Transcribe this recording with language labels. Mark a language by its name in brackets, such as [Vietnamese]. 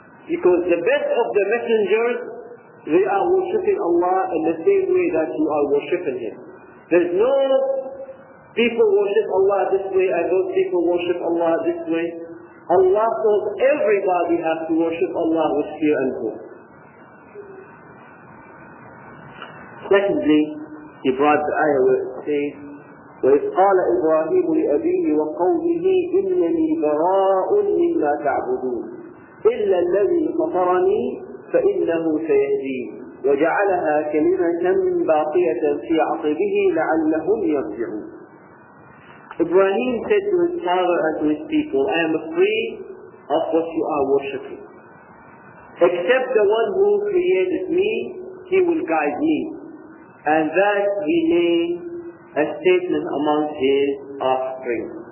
[English] Because the best of the messengers, they are worshipping Allah in the same way that you are worshipping Him. There's no people worship Allah this way and those people worship Allah this way. Allah told everybody has to worship Allah with fear and hope. Secondly, he brought the ayah where it says, [Arabic] وَإِذْ قَالَ إِبْرَاهِيمُ لِأَبِيهِ وَقَوْمِهِ إِنَّنِي بَرَاءٌ مِّمَّا تَعْبُدُونَ إِلَّا الَّذِي فَطَرَنِي فَإِنَّهُ سَيَهْدِينِ وَجَعَلَهَا كَلِمَةً بَاقِيَةً فِي عَقِبِهِ لَعَلَّهُمْ يَرْجِعُونَ. [English] Ibrahim said to his father and to his people, I am afraid of what you are worshipping. Except the one who created me, he will guide me. And that he made a statement among his offspring.